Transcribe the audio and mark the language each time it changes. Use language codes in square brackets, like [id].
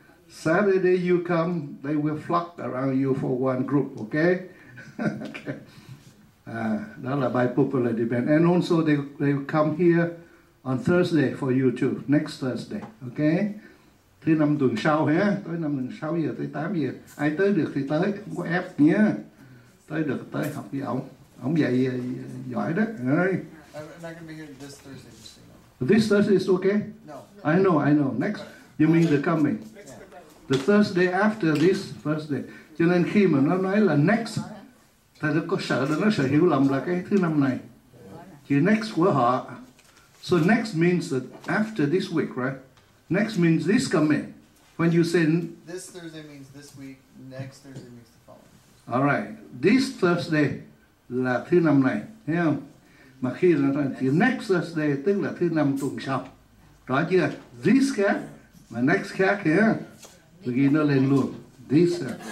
[en] Saturday you come, they will flock around you for one group, okay? Okay. [vi] À, đó là [en] by popular demand. And also they come here on Thursday for you too, next Thursday, okay? [vi] Thứ năm tuần sau hả? Tới năm tuần 6 giờ tới 8 giờ. Ai tới được thì tới, không có ép nhé. Tới được tới học với ổng. Ổng dạy giỏi đó. [en] I'm not going to be here this Thursday. This Thursday is okay? No. I know. Next, you mean the coming? The Thursday after this Thursday. [vi] Cho nên khi mà nó nói là next, thì nó có sợ, nó sẽ hiểu lầm là cái thứ năm này. Chứ next của họ. [en] So next means that after this week, right? Next means this coming. When you say... This Thursday means this week, next Thursday means the following. All right. This Thursday [vi] là thứ năm này, thấy không? Mà khi nó nói chữ [en] next Thursday [vi] tức là thứ năm tuần sau. Rõ chưa? This khác mà next khác hả? Tôi ghi nó lên luôn. This.